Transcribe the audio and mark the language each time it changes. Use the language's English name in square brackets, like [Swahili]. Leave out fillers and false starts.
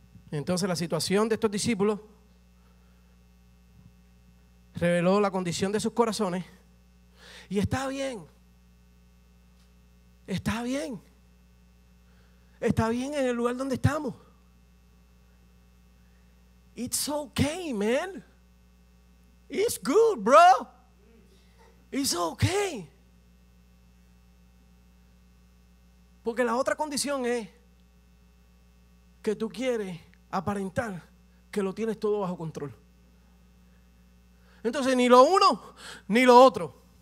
[Spanish] Entonces la situación de estos discípulos reveló la condición de sus corazones. Y está bien. Está bien. Está bien en el lugar donde estamos. [English] It's okay, man. It's good, bro. It's okay. [Spanish] Porque la otra condición es que tú quieres aparentar que lo tienes todo bajo control. Entonces, ni lo uno ni lo otro.